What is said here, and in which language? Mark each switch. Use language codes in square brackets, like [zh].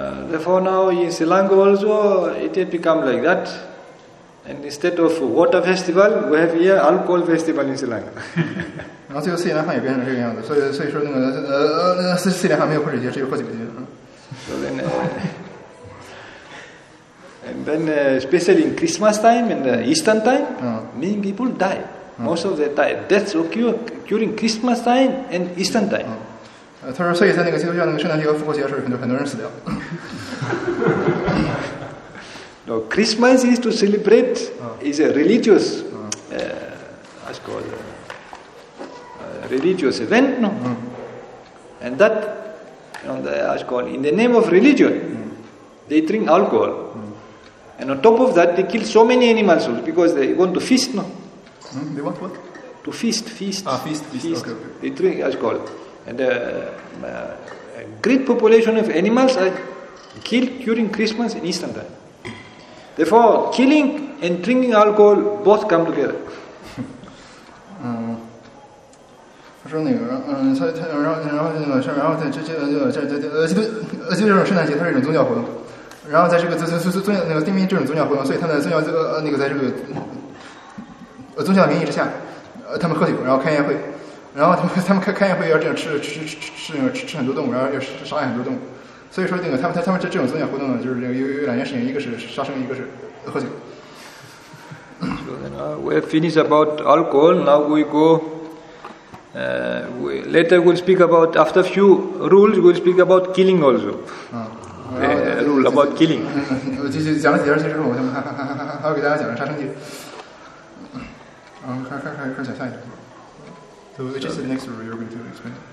[en] Therefore now in Sri Lanka also it has become like that, and instead of water festival, we have here alcohol festival in Sri Lanka. [zh] 然后最后斯里兰卡也变成这个样子，所以说斯里兰卡没有喝水节，只有喝酒节。 [en] And then, especially in Christmas time and Eastern time, many people die. Most of the deaths occur during Christmas time and Eastern time. [zh] 他说，所以在那个基督教那个圣诞节和复活节的时候，很多人死掉。 [en] No, Christmas is to celebrate is a religious, what's called, religious event, no? And that, what's called, in the name of religion, they drink alcohol. And on top of that, they kill so many animals because they want to feast, no? They want what? To feast. Feast. Okay. They drink alcohol. And a great population of animals are killed during Christmas and Easter time. Therefore, killing and drinking alcohol both come together. [zh] 说他然后在这个定义这种宗教活动，所以他们在宗教在这个宗教的名义之下，他们喝酒，然后开宴会，然后他们开宴会要这样吃很多动物，然后又杀害很多动物。所以说那个他们这种增减活动呢，就是有两件事情，一个是杀生，一个是喝酒。 [en] So then we have finished about alcohol. Now we go. We later we'll speak about after few rules. We'll speak about killing also. Rule about killing. [zh] 继续讲了几件事情之后，我先还要给大家讲杀生戒。还讲下一个。 [en] So, which is the next rule you're going to explain?